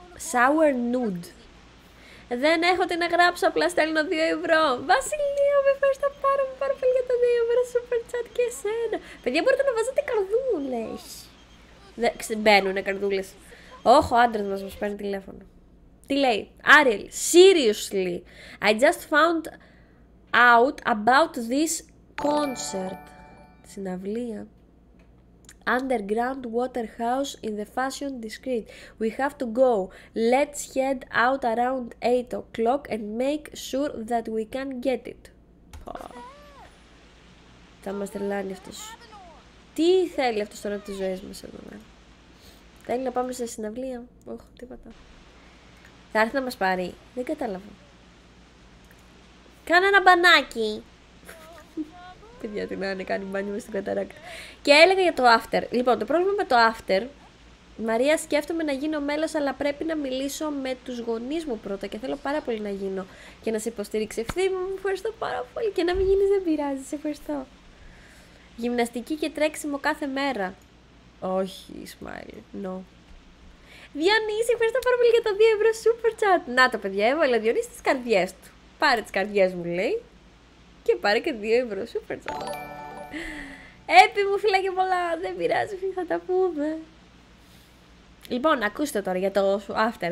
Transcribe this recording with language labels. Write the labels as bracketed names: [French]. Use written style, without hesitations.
[Greek] Sour nude. Δεν έχω τι να γράψω, απλά στέλνω 2 ευρώ. Βασιλεία, με ευχαριστώ πάρα πολύ για τα 2 ευρώ super chat και εσένα. Παιδιά, μπορείτε να βάζετε καρδούλες. Μπαίνουνε καρδούλες. Όχι, ο άντρας μας παίρνει τηλέφωνο. Τι λέει? [English] Ariel, seriously, I just found out about this concert. Συναυλία. Underground water house in the fashion district. We have to go. Let's head out around 8 o'clock and make sure that we can get it. [Greek] Θα μας τρελάνει αυτός. Τι θέλει αυτός τώρα από τις ζωές μας εδώ μέρα. Θέλει να πάμε σε συναυλία. Όχι, τίποτα. Θα έρθει να μας πάρει. Δεν κατάλαβα. Κάνε ένα μπανάκι. παιδιά, την Άννα κάνει μπάνιο μες στην καταράκτη. Και έλεγα για το after. Λοιπόν, το πρόβλημα με το after, Μαρία, σκέφτομαι να γίνω μέλος, αλλά πρέπει να μιλήσω με τους γονείς μου πρώτα και θέλω πάρα πολύ να γίνω και να σε υποστηρίξει. Ευθύμη μου, ευχαριστώ πάρα πολύ. Και να μην γίνεις δεν πειράζει, σε ευχαριστώ. Γυμναστική και τρέξιμο κάθε μέρα. Όχι, [English] smile, no. [Greek] Διονύση, ευχαριστώ πάρα πολύ για τα 2 ευρώ super chat. Να το παιδιά, έβαλε Διονύση τις καρδιές του. Πάρε τις καρδιές μου, λέει. Και πάρε και 2 ευρώ super chat. Έπι μου, φίλα και πολλά. Δεν πειράζει, φίλοι, θα τα πούμε. Λοιπόν, ακούστε τώρα για το after.